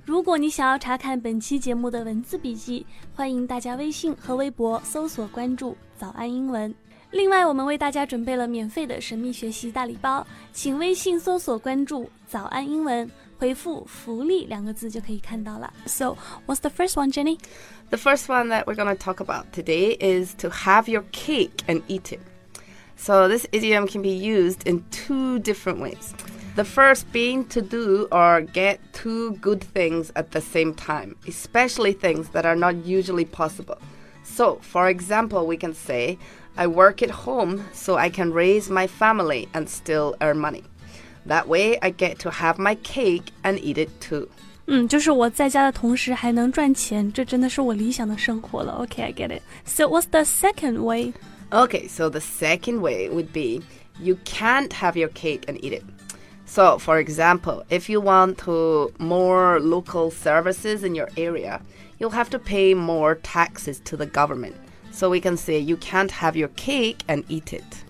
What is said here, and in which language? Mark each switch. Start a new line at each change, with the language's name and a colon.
Chinese: 如果你想要查看本期节目的文字笔记，欢迎大家微信和微博搜索关注早安英文。另外，我们为大家准备了免费的神秘学习大礼包，请微信搜索关注早安英文。回复福利两个字就可以看到了。
English: So, what's the first one, Jenny? The first one that we're going to talk about today is to have your cake and eat it. So, this idiom can be used in two different ways. The first being to do or get two good things at the same time, especially things that are not usually possible. So, for example, we can say, I work at home so I can raise my family and still earn money. That way, I get to have my cake and eat it too.
Chinese: 嗯，就是我在家的同时还能赚钱，这真的是我理想的生活了。
English: Okay, I get it. So what's the second way? Okay, so the second way would be you can't have your cake and eat it. So, for example, if you want to more local services in your area, you'll have to pay more taxes to the government. So we can say you can't have your cake and eat it.